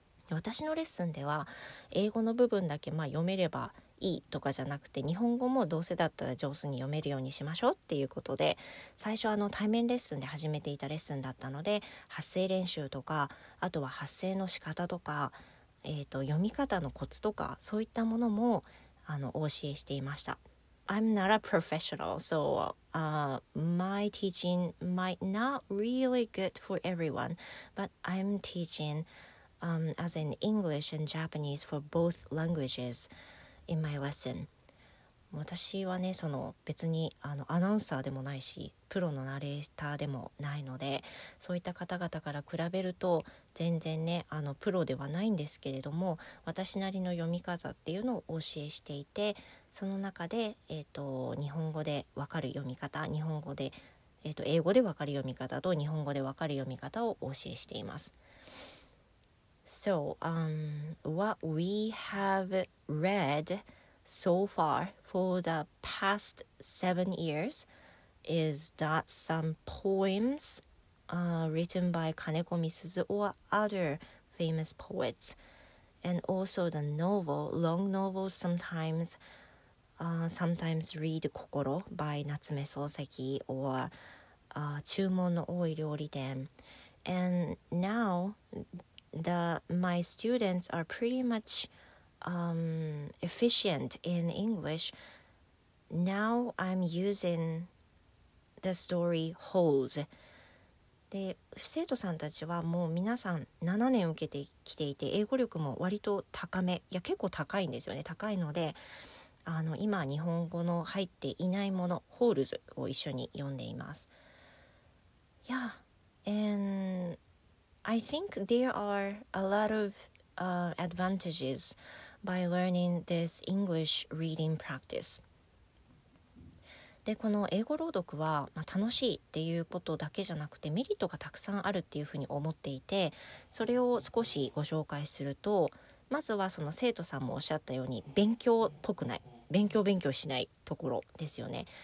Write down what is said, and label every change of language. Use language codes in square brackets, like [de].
[ja] 私のレッスンでは英語の部分だけまあ読めればいいとかじゃなくて、日本語もどうせだったら上手に読めるようにしましょうっていうことで、最初あの対面レッスンで始めていたレッスンだったので、発声練習とかあとは発声の仕方とか、読み方のコツとかそういったものもあのお教えしていました。 [en] I'm not a professional, so my teaching might not really good for everyone, but I'm teachingas in English and Japanese for both languages in my lesson. 私はね、その別にあのアナウンサーでもないし、プロのナレーターでもないので、そういった方々から比べると、全然ね、あのプロではないんですけれども、私なりの読み方っていうのを教えしていて、その中で、日本語でわかる読み方、日本語で、英語でわかる読み方と日本語でわかる読み方を教えしています。 So, what we have read so far for the past 7 years is that some poems written by Kaneko Misuzu or other famous poets, and also the novel, long novels sometimes, sometimes read Kokoro by Natsume Soseki or Chūmon no Oi Ryōri Den. And now,my students are pretty much efficient in English. Now I'm using the story Holes. [ja] で、生徒さんたちはもう皆さん7年受けてきていて、英語力も割と高め、いや結構高いんですよね。高いので、あの今日本語の入っていないもの、Holes を一緒に読んでいます。 [en] Yeah, andI think there are a lot of advantages by learning this English reading practice. [ja] で、この英語朗読は、まあ、楽しいっていうことだけじゃなくてメリットがたくさんあるっていうふうに思っていて、それを少しご紹介すると、まずはその生徒さんもおっしゃったように勉強っぽくない、勉強しないところですよね。